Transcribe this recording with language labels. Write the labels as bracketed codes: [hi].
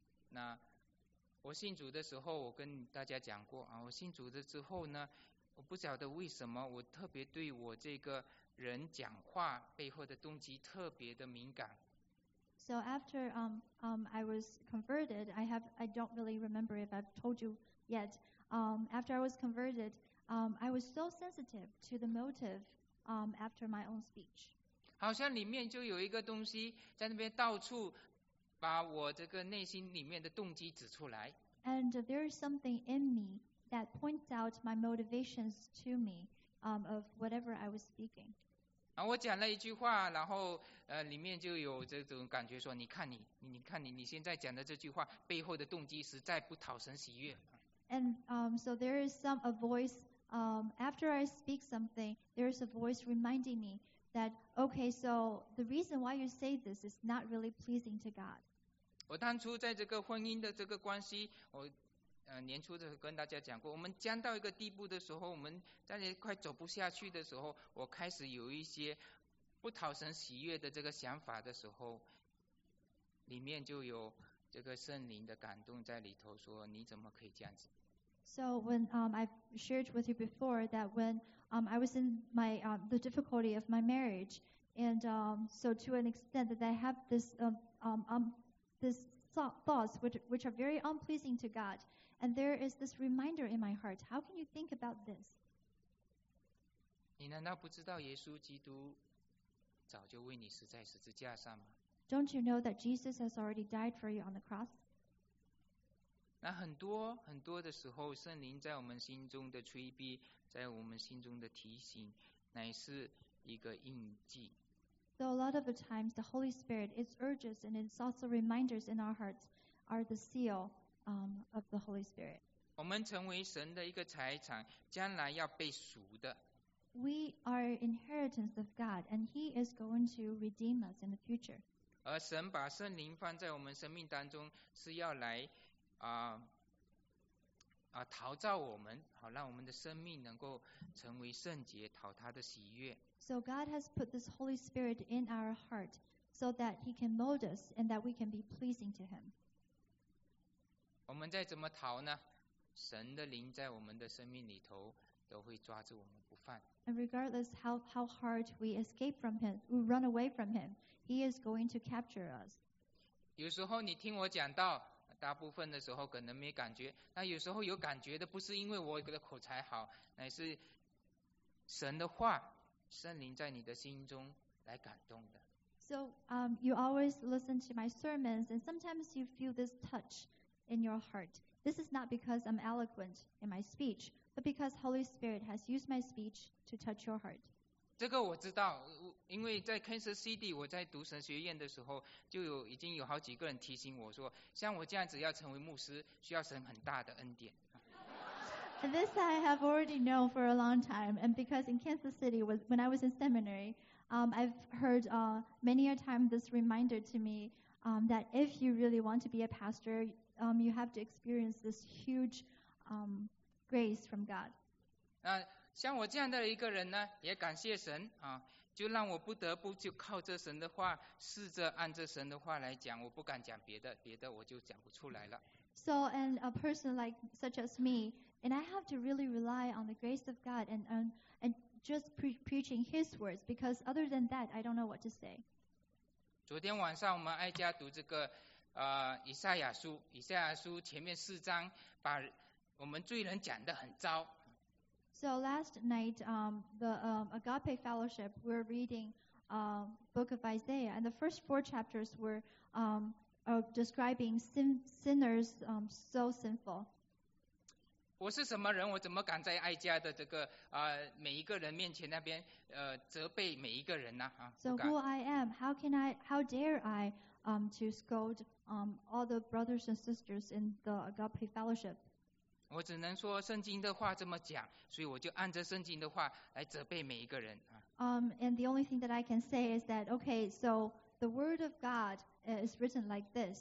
[zh] 那我信主的时候，我跟大家讲过啊。我信主的之后呢，我不晓得为什么我特别对我这个人讲话背后的动机特别的敏感。 [en] So after I was converted, I don't really remember if I've told you yet. After I was converted, I was so sensitive to the motive after my own speech. [zh] 好像里面就有一个东西在那边到处。把我这个内心里面的动机指出来。 [en] And there is something in me that points out my motivations to me, of whatever I was speaking. [zh] 啊，我讲了一句话，然后里面就有这种感觉说，你看你现在讲的这句话背后的动机实在不讨神喜悦。 [en] And so there is a voice, after I speak something, there is a voice reminding me. That, okay, so the reason why you say this is not really pleasing to God. [zh] 我当初在这个婚姻的这个关系，我年初的跟大家讲过，我们僵到一个地步的时候，我们在那快走不下去的时候，我开始有一些不讨神喜悦的这个想法的时候，里面就有这个圣灵的感动在里头说，你怎么可以这样子？ [en] So when I've shared with you before that when I was in my the difficulty of my marriage, and so to an extent that I have this this thoughts which are very unpleasing to God, and there is this reminder in my heart. How can you think about this? [zh] 你难道不知道耶稣基督早就为你死在十字架上吗？ [en] Don't you know that Jesus has already died for you on the cross? [zh] 那很多很多的时候，圣灵在我们心中的催逼，在我们心中的提醒，乃是一个印记。 [en] So a lot of the times, the Holy Spirit its urges and its also reminders in our hearts are the seal of the Holy Spirit. [zh] 我们成为神的一个财产，将来要被赎的。 [en] We are inheritance of God, and He is going to redeem us in the future. [zh] 而神把圣灵放在我们生命当中，是要来。陶造我们，好让我们的生命能够成为圣洁，讨他的喜悦。 [en] So God has put this Holy Spirit in our heart so that He can mold us and that we can be pleasing to Him. [zh] 我们再怎么逃呢？神的灵在我们的生命里头都会抓住我们不放。 [en] And regardless how hard we escape from Him, we run away from Him, He is going to capture us. [zh] 有时候你听我讲到。大部分的时候可能没感觉，那有时候有感觉的不是因为我的口才好，乃是神的话，圣灵在你的心中来感动的。 [en] So, you always listen to my sermons, and sometimes you feel this touch in your heart. This is not because I'm eloquent in my speech, but because Holy Spirit has used my speech to touch your heart. [zh] 这个我知道，因为在 Kansas City 我在读神学院的时候，就有已经有好几个人提醒我说，像我这样子要成为牧师，需要神很大的恩典。 [en] This I have already known for a long time, and because in Kansas City when I was in seminary, I've heard many a time this reminder to me that if you really want to be a pastor, you have to experience this huge grace from God. [zh] 像我这样的一个人呢，也感谢神啊，就让我不得不就靠着神的话，试着按着神的话来讲，我不敢讲别的我就讲不出来了。 [en] So, and a person like such as me, and I have to really rely on the grace of God and just preaching His words, because other than that, I don't know what to say. [zh] 昨天晚上我们爱家读这个以赛亚书，以赛亚书前面四章把我们罪人讲得很糟。 [en] So last night, the Agape Fellowship, we're reading the book of Isaiah, and the first four chapters were describing sinners so sinful. [zh] 我是什么人？我怎么敢在哀家的这个每一个人面前那边责备每一个人呢？ [en] So who I am? How dare I to scold all the brothers and sisters in the Agape Fellowship? [zh] 我只能说圣经的话这么讲，所以我就按着圣经的话来责备每一个人。 And the only thing that I can say is that okay, so the word of God is written like this.